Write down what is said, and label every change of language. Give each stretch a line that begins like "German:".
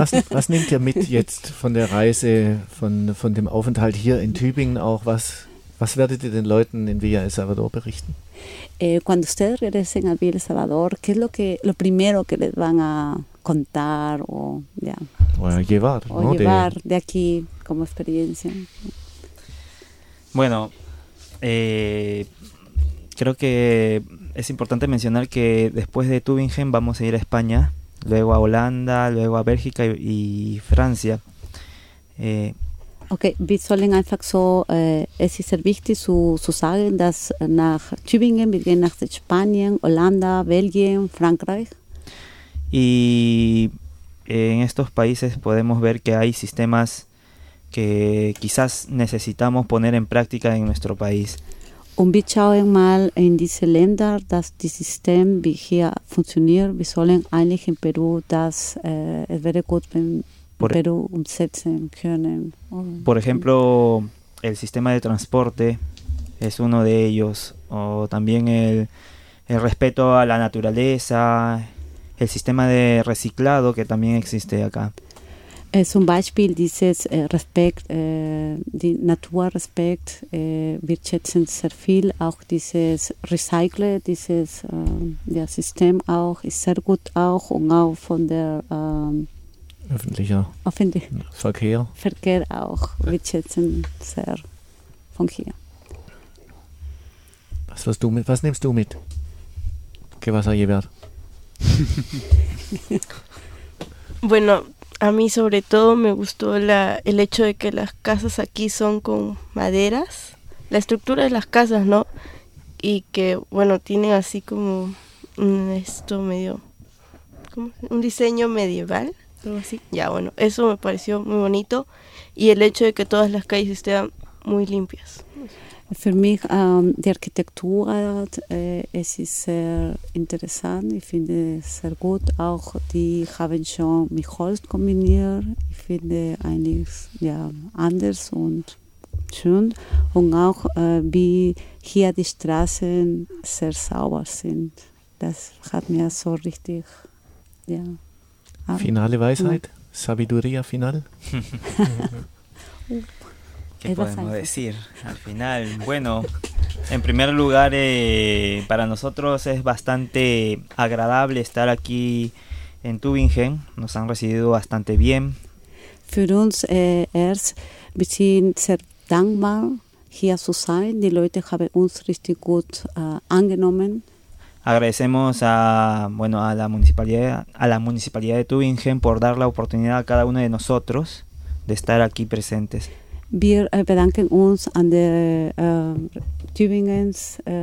German: Was nehmt ihr mit jetzt von der Reise, von dem Aufenthalt hier in Tübingen auch? Was werdet ihr den Leuten in Villa El Salvador berichten?
Spanish: Cuando ustedes regresen a Villa El Salvador, ¿qué es lo primero que les van a contar o ya? O a llevar, o ¿no? llevar de aquí como experiencia. Bueno, creo que es importante mencionar que después de Tübingen vamos a ir a España, luego a Holanda, luego a Bélgica y Francia.
German: Okay, wir sollen einfach so, es ist sehr wichtig zu sagen, dass nach Tübingen, wir gehen nach Spanien, Holanda, Belgien, Frankreich.
Spanish: Y en estos países podemos ver que hay sistemas que quizás necesitamos poner en práctica en nuestro país.
German: Und wir schauen mal in diese Länder, dass das System wie hier funktioniert. Wir sollen eigentlich in Peru das, es wäre gut, wenn wir in Peru umsetzen können.
Spanish: Por ejemplo, el sistema de transporte es uno de ellos. O también el respeto a la naturaleza, el sistema de reciclado que también existe acá.
German: Zum Beispiel dieses Respekt, die Naturrespekt, wir schätzen sehr viel, auch dieses Recycle, dieses ja, System auch, ist sehr gut auch und auch von der öffentlichen Verkehr auch, wir schätzen sehr von hier. Was nimmst du mit?
Spanish: ¿Qué vas a llevar? Bueno, a mí sobre todo me gustó el hecho de que las casas aquí son con maderas, la estructura de las casas, ¿no? Y que, bueno, tienen así como esto medio, ¿cómo? Un diseño medieval, algo así. Ya, bueno, eso me pareció muy bonito y el hecho de que todas las calles estén muy limpias.
German: Für mich die Architektur es ist sehr interessant, ich finde es sehr gut, auch die haben schon mit Holz kombiniert, ich finde einiges ja, anders und schön und auch wie hier die Straßen sehr sauber sind, das hat mir so richtig ja. Finale Weisheit,
Spanish: Sabiduría final. ¿Qué podemos decir al final? Bueno, en primer lugar, para nosotros es bastante agradable estar aquí en Tübingen. Nos han recibido bastante bien.
German: Für uns es wir sind sehr dankbar hier zu sein. Die Leute haben uns richtig gut angenommen.
Spanish: Agradecemos a bueno a la municipalidad de Tübingen por dar la oportunidad a cada uno de nosotros de estar aquí presentes.
German: Wir bedanken uns an der Tübingens